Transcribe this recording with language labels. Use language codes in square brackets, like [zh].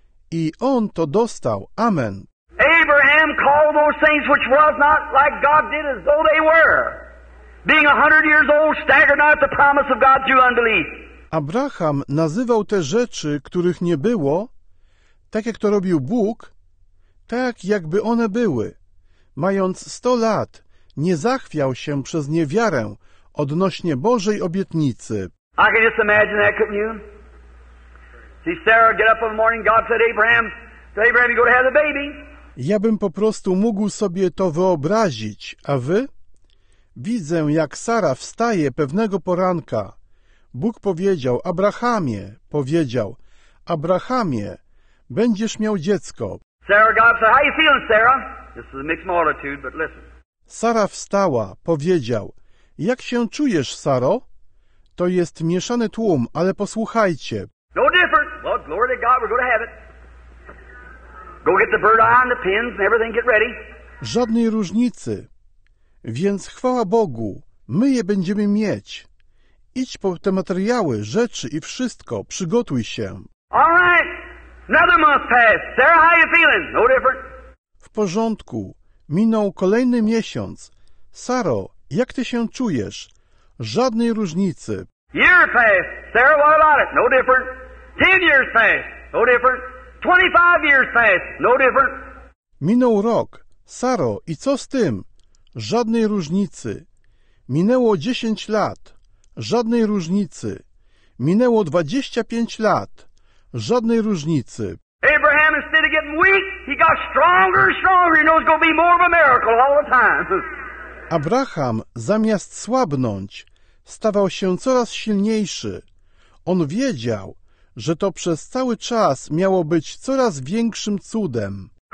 [pl] I on to dostał. Amen. [en] Abraham called those things which was not like God did as though they were. Being 100 years old, staggered not the promise of God through unbelief. [pl] Abraham nazywał te rzeczy, których nie było, tak jak to robił Bóg, tak jakby one były. Mając 100 lat, nie zachwiał się przez niewiarę odnośnie Bożej obietnicy. [en] I can just imagine that, couldn't you? See, Sarah, get up in the morning, God said, Abraham, to Abraham, you go to have the baby. [pl] Ja bym po prostu mógł sobie to wyobrazić, a wy? Widzę, jak Sara wstaje pewnego poranka. Bóg powiedział, Abrahamie, powiedział, Abrahamie, będziesz miał dziecko. [en] Sarah, God said, how you feeling, Sarah? This is a mixed multitude, but listen. [pl] Sara wstała, powiedział, jak się czujesz, Saro? To jest mieszany tłum, ale posłuchajcie. [en] No difference. Well, glory to God, we're going to have it. Go get the bird eye and the pins and everything, get ready. [pl] Żadnej różnicy. Więc chwała Bogu, my je będziemy mieć. Idź po te materiały, rzeczy i wszystko, przygotuj się. [en] All right. Another month passed. Sarah, how you feeling? No different. [pl] W porządku. Minął kolejny miesiąc. Saro, jak ty się czujesz? Żadnej różnicy. [en] Year passed. Sarah, what about it? No different. 10 years passed. No different. 25 years passed. No different. [pl] Minął rok. Saro, i co z tym? Żadnej różnicy. Minęło 10 lat. Żadnej różnicy. Minęło 25 lat. Żadnej różnicy. [en] Abraham, instead of getting weak, he got stronger and stronger. He knows it's going to be more of a miracle all the time. [pl] Abraham, zamiast słabnąć, stawał się coraz silniejszy. On wiedział, że to przez cały czas miało być coraz większym cudem.